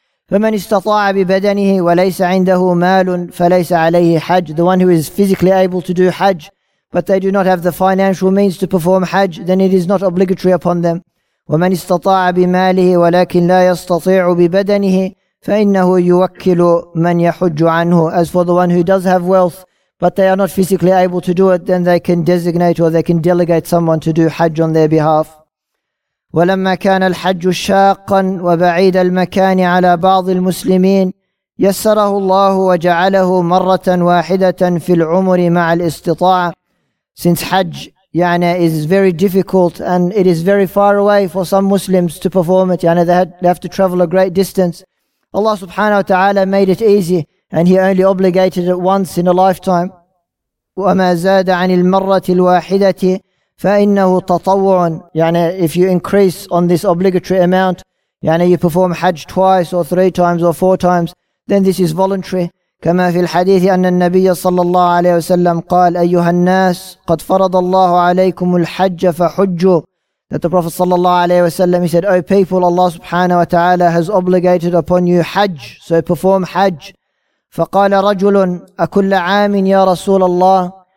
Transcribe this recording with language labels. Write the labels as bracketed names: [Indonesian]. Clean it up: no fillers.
[Arabic] فَمَنْ إِسْتَطَاعَ بِبَدَنِهِ وَلَيْسَ عِنْدَهُ مَالٌ فَلَيْسَ عَلَيْهِ حَجْ, [English] the one who is physically able to do Hajj, but they do not have the financial means to perform Hajj, then it is not obligatory upon them. [Arabic] وَمَنْ إِسْتَطَاعَ بِمَالِهِ وَلَكِنْ لَا يَسْتَطِيعُ بِبَدَنِهِ فَإِنَّهُ يُوَكِّلُ مَنْ يَحُجُّ عَنْهُ, [English] as for the one who does have wealth but they are not physically able to do it, then they can designate or they can delegate someone to do Hajj on their behalf. [Arabic] وَلَمَّا كَانَ الْحَجُّ شَاقًّا وَبَعِيدَ الْمَكَانِ عَلَى بَعْضِ الْمُسْلِمِينَ يسره الله وجعله مرة واحدة في العمر مع الاستطاعة. [English] Since Hajj is very difficult and it is very far away for some Muslims to perform it, they have to travel a great distance, Allah subhanahu wa ta'ala made it easy and He only obligated it once in a lifetime. [Arabic] وما زاد عن المرة الواحدة فإنه تطوع. [English] If you increase on this obligatory amount, you perform Hajj twice or three times or four times, then this is voluntary. [Arabic] كما في الحديث أن النبي صلى الله عليه وسلم قال أيها الناس قد فرض الله عليكم الحج فحجوا. [English] That the Prophet [Arabic] صلى الله عليه وسلم, [English] he said, O people, Allah subhanahu wa ta'ala has obligated upon you Hajj, so perform Hajj. [Arabic] فقال رجل أكل عام يا رسول الله.